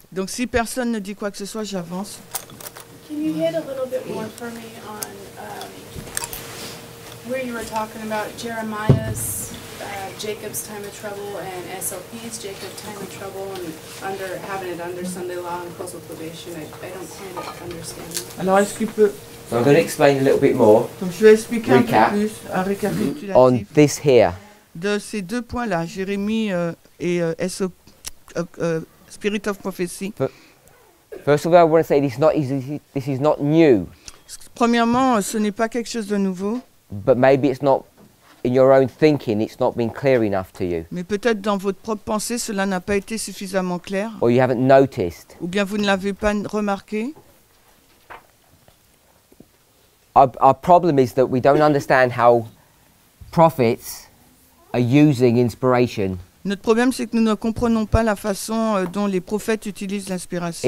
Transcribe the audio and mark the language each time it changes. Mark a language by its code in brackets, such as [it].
[fr] Donc si personne ne dit quoi que ce soit, j'avance. [en] Can you hit a little bit more for me on where you were talking about Jeremiah's Jacob's time of trouble and SOP's Jacob's time of trouble and under having it under Sunday law and close of probation. I don't quite understand. [fr] Alors est-ce qu'il peut? [en] So I'm going to explain a little bit more. [fr] Donc je vais expliquer un peu plus un récapitulatif. [en] On this here. [fr] De ces deux points là, Jérémie et SOP, Spirit of Prophecy. [en] First of all, I want to say this is not easy. This is not new. [fr] Premièrement, ce n'est pas quelque chose de nouveau. [en] But maybe it's not. in your own thinking, it's not been clear enough to you. [fr] Mais peut-être dans votre propre pensée, cela n'a pas été suffisamment clair. [en] Or you haven't noticed. [fr] Ou bien vous ne l'avez pas remarqué. [en] Our problem is that we don't understand how prophets are using inspiration. [fr] Notre problème, c'est que nous ne comprenons pas la façon dont les prophètes utilisent l'inspiration.